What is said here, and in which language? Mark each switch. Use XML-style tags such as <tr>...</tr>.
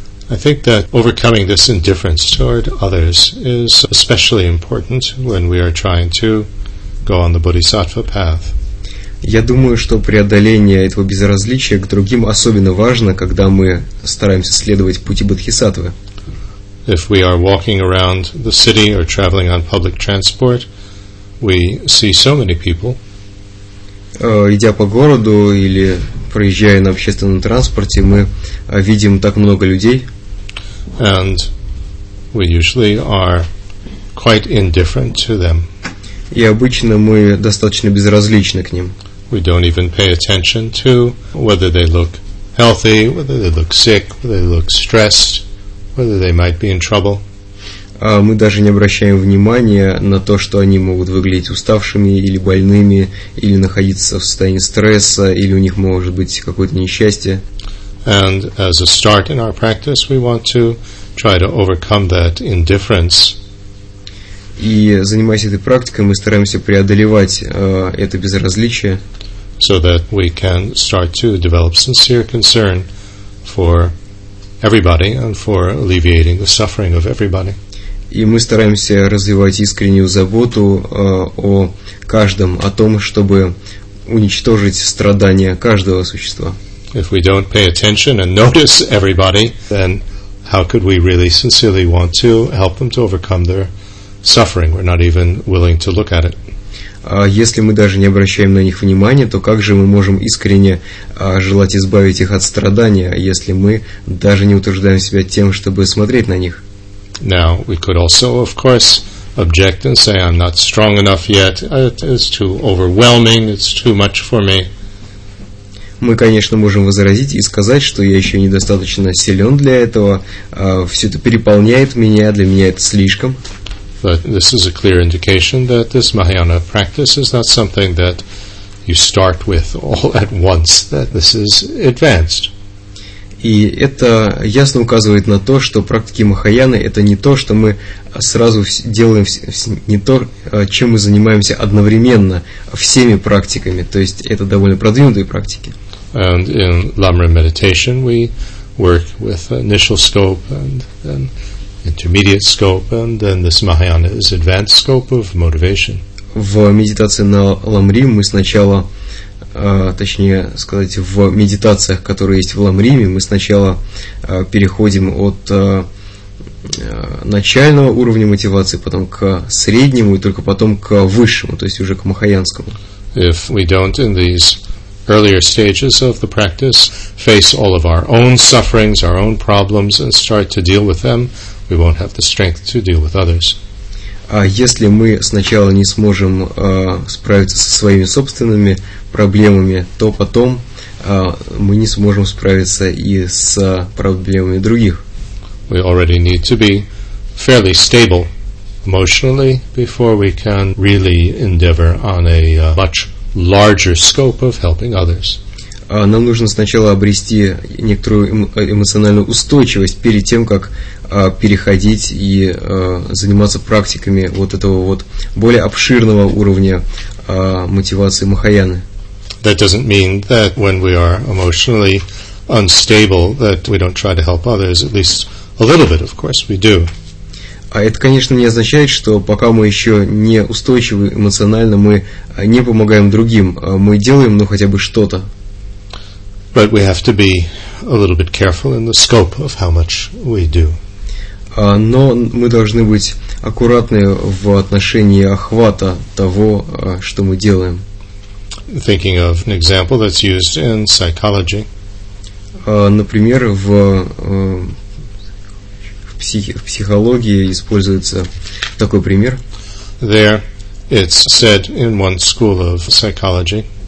<en>I think that overcoming this indifference toward others is especially important when we are trying to go on the bodhisattva path.</en> <ru>Я думаю, что преодоление этого безразличия к другим особенно важно, когда мы стараемся следовать пути бодхисаттвы.</ru> <en>If we are walking around the city or traveling on public transport, we see so many people.</en> <ru>Идя по городу или проезжая на общественном транспорте, мы видим так много людей.</ru> <en>And we usually are quite indifferent to them.</en> <ru>И обычно мы достаточно безразличны к ним.</ru> <en>We don't even pay attention to whether they look healthy, whether they look sick, whether they look stressed, whether they might be in trouble.</en> <ru>Мы даже не обращаем внимания на то, что они могут выглядеть уставшими или больными, или находиться в состоянии стресса, или у них может быть какое-то несчастье.</ru> <en>And as a start in our practice, we want to try to overcome that indifference.</en> <ru>И занимаясь этой практикой, мы стараемся преодолевать это безразличие.</ru> <en>So that we can start to develop sincere concern for everybody and for alleviating the suffering of everybody.</en> <ru>И мы стараемся развивать искреннюю заботу о каждом, о том, чтобы уничтожить страдания каждого существа.</ru> <en>If we don't pay attention and notice everybody, then how could we really sincerely want to help them to overcome their suffering? We're not even willing to look at it.</en> <ru>Если мы даже не обращаем на них внимания, то как же мы можем искренне желать избавить их от страдания, если мы даже не утруждаем себя тем, чтобы смотреть на них?</ru> <en>Now, we could also, of course, object and say, I'm not strong enough yet, it is too overwhelming, it's too much for me.</en> <ru>Мы, конечно, можем возразить и сказать, что я еще недостаточно силен для этого, все это переполняет меня, для меня это слишком.</ru> <en>But this is a clear indication that this Mahayana practice is not something that you start with all at once, that this is advanced.</en> <ru>И это ясно указывает на то, что практики Махаяны – это не то, что мы сразу делаем, не то, чем мы занимаемся одновременно всеми практиками. То есть это довольно продвинутые практики.</ru> <en>And in Lamrim meditation we work with initial scope and then intermediate scope and then this Mahayana is advanced scope of motivation.</en> <ru>В медитации на Ламрим мы сначала точнее сказать, в медитациях, которые есть в Ламриме, мы сначала переходим от начального уровня мотивации, потом к среднему и только потом к высшему, то есть уже к махаянскому.</ru> <en>If we don't in these earlier stages of the practice face all of our own sufferings, our own problems and start to deal with them, we won't have the strength to deal with others.</en> <ru>А если мы сначала не сможем справиться со своими собственными проблемами, то потом мы не сможем справиться и с проблемами других.</ru> <en>We already need to be fairly stable emotionally before we can really endeavor on a much larger scope of helping others.</en> <ru>Нам нужно сначала обрести некоторую эмоциональную устойчивость перед тем, как переходить и заниматься практиками вот этого вот более обширного уровня мотивации Махаяны.</ru> <en>That doesn't mean that when we are emotionally unstable that we don't try to help others, at least a little bit, of course, we do.</en> <ru>А это, конечно, не означает, что пока мы еще не устойчивы эмоционально, мы не помогаем другим. Мы делаем, ну, хотя бы что-то.</ru> <en>But we have to be a little bit careful in the scope of how much we do.</en> <ru>Но мы должны быть аккуратны в отношении охвата того, что мы делаем.</ru> <en>Thinking of an example that's used in psychology.</en> <ru>Например, в психологии используется такой пример.</ru> <en>There, it's said in one school of psychology.</en>